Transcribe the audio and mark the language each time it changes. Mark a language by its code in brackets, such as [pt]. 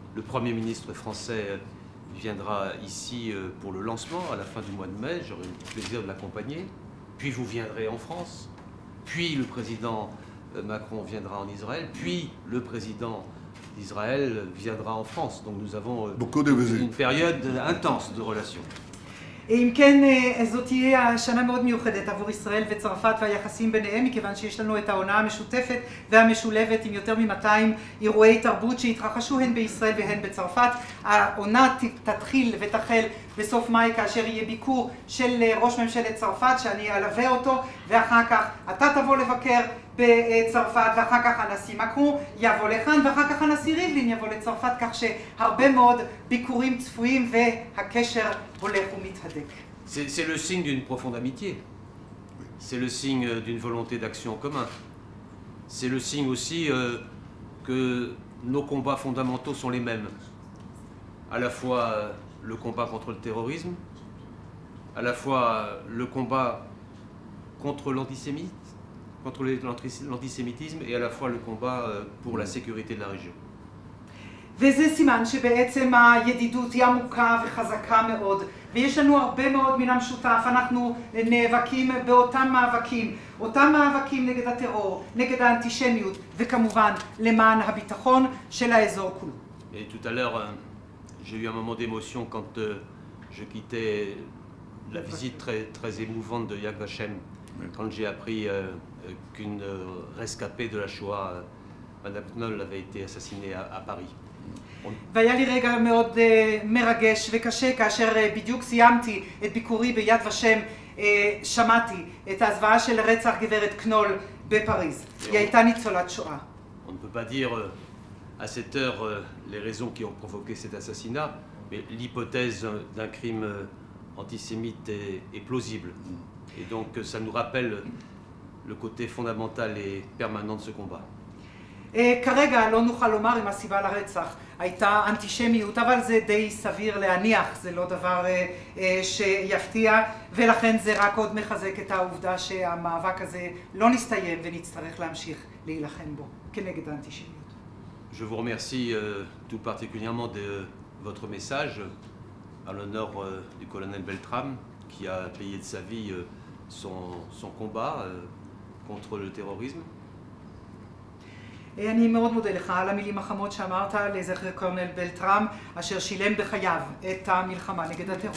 [fr] Le Premier ministre français viendra ici pour le lancement à la fin du mois de mai. J'aurai le plaisir de l'accompagner. Puis vous viendrez en France. Puis le président Macron viendra en Israël. Puis le président d'Israël viendra en France. Donc nous avons beaucoup de visites. Une période intense de relations. [he] Et אם כן, זו תהיה השנה מאוד מיוחדת עבור ישראל וצרפת והיחסים ביניהם, מכיוון שיש לנו את העונה המשותפת והמשולבת עם יותר מ-200 אירועי תרבות שהתרחשו הן בישראל והן בצרפת. העונה תתחיל ותחל בסוף מאי, כאשר יהיה ביקור של ראש ממשלת צרפת, שאני אלווה אותו, ואחר כך אתה תבוא לבקר בצרפת, ואחר כך הנשיא מקרון יבוא לכאן, ואחר כך הנשיא ריבלין יבוא לצרפת, כך שהרבה מאוד ביקורים צפויים והקשר הולך ומתהדק. [fr] C'est le signe d'une profonde amitié. C'est le signe d'une volonté d'action commun. C'est le signe aussi que nos combats fondamentaux sont les mêmes. À la fois le combat contre le terrorisme, à la fois le combat contre l'antisémitisme et à la fois le combat pour la sécurité de la région. [he] וזה סימן שבעצם הידידות היא עמוקה וחזקה מאוד, ויש לנו הרבה מאוד מן המשותף. אנחנו נאבקים באותם מאבקים, אותם מאבקים נגד הטרור, נגד האנטישמיות, וכמובן למען הביטחון של האזור כולו. [fr] Et tout à l'heure, j'ai eu un moment d'émotion quand je quittais la visite très, très émouvante de Yad Vashem, quand j'ai appris qu'une rescapée de la Shoah Madame Knoll avait été assassinée à Paris. [he] והיה לי רגע מאוד מרגש וקשה כאשר בדיוק סיימתי את ביקורי ביד ושם שמעתי את ההזוועה של רצח גברת קנול בפריז. היא הייתה ניצולת שואה. [fr] On ne peut pas dire à cette heure les raisons qui ont provoqué cet assassinat, mais l'hypothèse d'un crime antisémite est plausible. Et donc ça nous rappelle le côté fondamental et permanent de ce combat. [he] כרגע לא נוכל לומר אם הסיבה לרצח הייתה אנטישמיות, אבל זה די סביר להניח, זה לא דבר שיפתיע, ולכן זה רק עוד מחזק את העובדה שהמאבק הזה לא נסתיים ונצטרך להמשיך להילחם בו כנגד האנטישמיות. [fr] Je vous remercie tout particulièrement de votre message à l'honneur du colonel Beltram qui a payé de sa vie son combat contre le terrorisme. [he] אני מאוד מודה לך על המילים החמות שאמרת לזכר קורנל בלטראם אשר שילם בחייו את המלחמה נגד